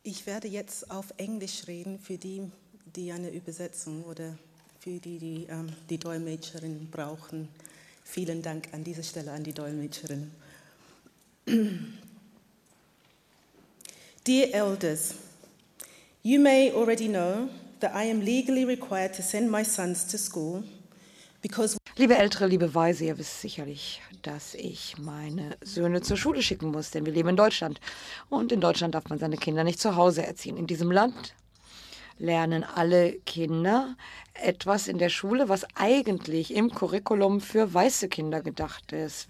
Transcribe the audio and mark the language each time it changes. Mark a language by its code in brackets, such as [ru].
[de] Ich werde jetzt auf Englisch reden für die, die eine Übersetzung oder für die, die die Dolmetscherin brauchen. Vielen Dank an dieser Stelle an die Dolmetscherin. [en] Dear Elders, you may already know that I am legally required to send my sons to school because... [de] Liebe Ältere, liebe Weise, ihr wisst sicherlich, dass ich meine Söhne zur Schule schicken muss, denn wir leben in Deutschland. Und in Deutschland darf man seine Kinder nicht zu Hause erziehen. In diesem Land lernen alle Kinder etwas in der Schule, was eigentlich im Curriculum für weiße Kinder gedacht ist.